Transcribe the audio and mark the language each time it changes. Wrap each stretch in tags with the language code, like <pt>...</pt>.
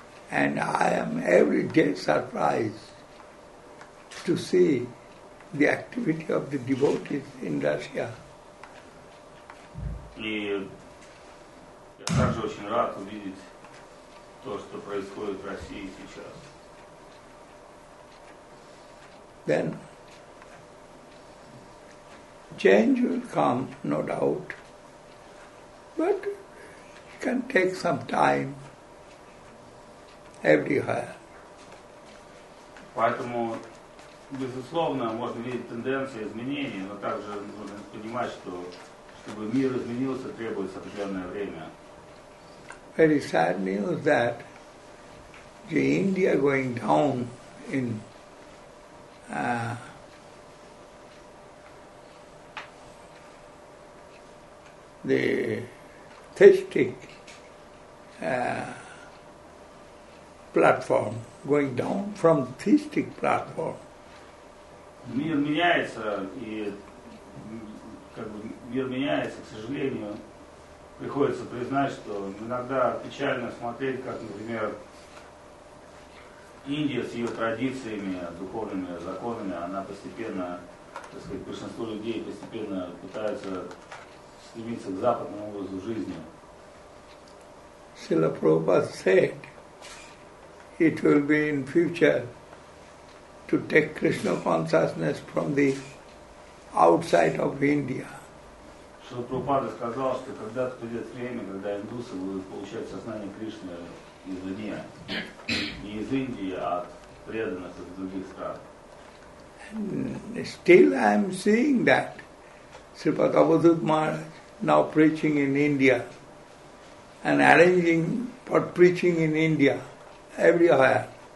<en>And I am every day surprised to see the activity of the devotees in Russia.</en> <ru>И я также очень рад увидеть то, что происходит в России сейчас.</ru> <en>Then change will come, no doubt, but it can take some time everywhere.</en> <ru>Поэтому, безусловно, можно видеть тенденции изменений, но также нужно понимать, что чтобы мир изменился, требуется определенное время.</ru> <en>Very sad news that the India going down in the theistic platform, going down from theistic platform.</en> <ru>Мир меняется, и как бы мир меняется, к сожалению, приходится признать, что иногда печально смотреть, как, например, Индия с ее традициями, духовными законами, она постепенно, так сказать, большинство людей постепенно пытаются стремиться к западному образу жизни.</ru> <en>Srila Prabhupada said, it will be in future to take Krishna consciousness from the outside of India.</en> <ru>Шрила Прабхупада сказал, что когда-то придет время, когда индусы будут получать сознание Кришны извне, не из Индии, а от преданных из других стран.</ru> <en>And still I am seeing that Shri Padavadut Maharaj now preaching in India and arranging for preaching in India everywhere.</en>